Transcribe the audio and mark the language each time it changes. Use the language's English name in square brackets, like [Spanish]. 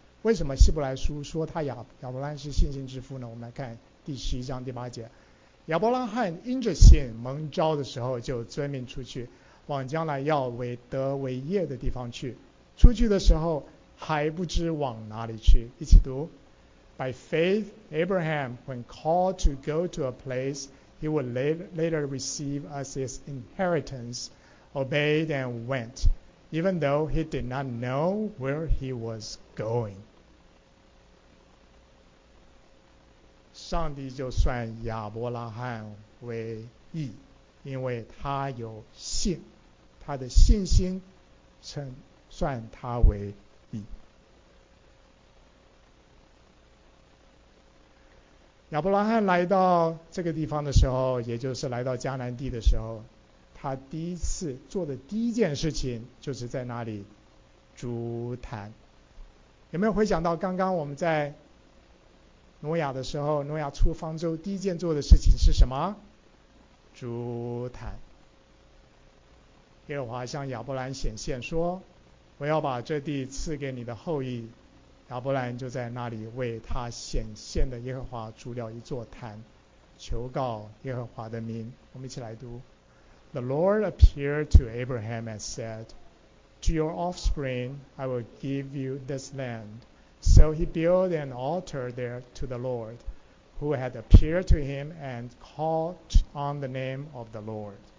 [Chinese] 为什么希伯来书说他亚伯拉罕是信心之父呢？我们来看第十一章第八节，亚伯拉罕因着信蒙召的时候，就遵命出去，往将来要为得为业的地方去。出去的时候还不知往哪里去。一起读。 [English] By faith, Abraham, when called to go to a place he would later receive as his inheritance, obeyed and went, even though he did not know where he was going. [Chinese] 上帝就算亚伯拉罕为义，因为他有信，他的信心称算他为义。亚伯拉罕来到这个地方的时候，也就是来到迦南地的时候，他第一次做的第一件事情就是在那里筑坛。有没有回想到刚刚我们在挪亚的时候，挪亚出方舟第一件做的事情是什么？筑坛。耶和华向亚伯兰显现说，我要把这地赐给你的后裔。亚伯兰就在那里为他显现的耶和华筑了一座坛，求告耶和华的名。我们一起来读。 [English] The Lord appeared to Abraham and said, To your offspring I will give you this land. So he built an altar there to the Lord, who had appeared to him and called on the name of the Lord.